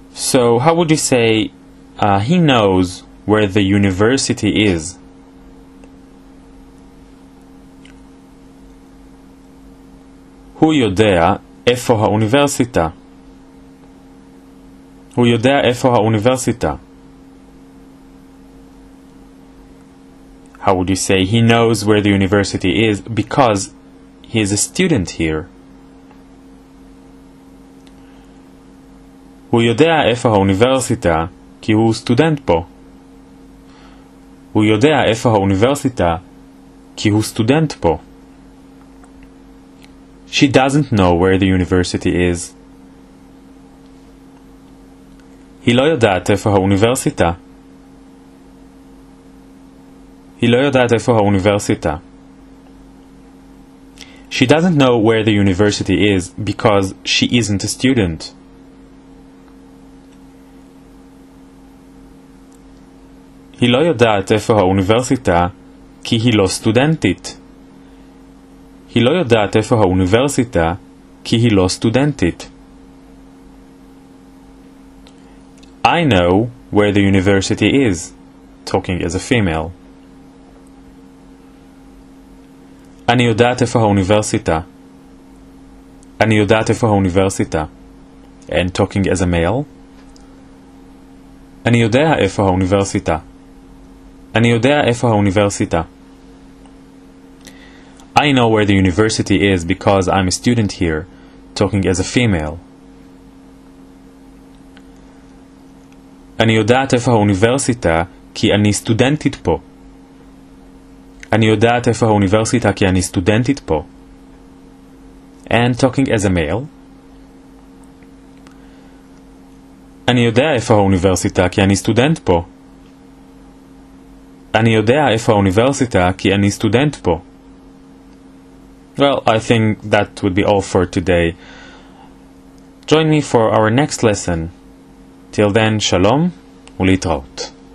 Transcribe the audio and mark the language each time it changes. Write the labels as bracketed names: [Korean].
[English] So, how would you say he knows where the university is? [Hebrew] הוא יודע איפה האוניברסיטה. הוא יודע איפה האוניברסיטה. [English] How would you say he knows where the university is because he is a student here? [Hebrew] הוא יודע איפה האוניברסיטה כי הוא סטודנט פה. הוא יודע איפה האוניברסיטה כי הוא סטודנט פה. [English] She doesn't know where the university is. [Hebrew] היא לא יודעת איפה האוניברסיטה. היא לא יודעת איפה האוניברסיטה. [English] She doesn't know where the university is because she isn't a student. [Hebrew] היא לא יודעת איפה האוניברסיטה כי היא לא סטודנטית. היא לא יודעת איפה האוניברסיטה כי היא לא סטודנטית. [English] I know where the university is, talking as a female. [Hebrew] אני יודעת איפה האוניברסיטה. אני יודעת איפה האוניברסיטה. [English] And talking as a male. [Hebrew] אני יודע איפה האוניברסיטה. אני יודע איפה האוניברסיטה. [English] I know where the university is because I'm a student here, talking as a female. [Hebrew] אני יודעת איפה האוניברסיטה כי אני סטודנטית פה. אני יודעת איפה האוניברסיטה כי אני סטודנטית פה. [English] And talking as a male. [Hebrew] אני יודע איפה האוניברסיטה כי אני סטודנט פה. אני יודע איפה האוניברסיטה כי אני סטודנט פה. [English] Well, I think that would be all for today. Join me for our next lesson. Till then, [Hebrew] Shalom ולהתראות.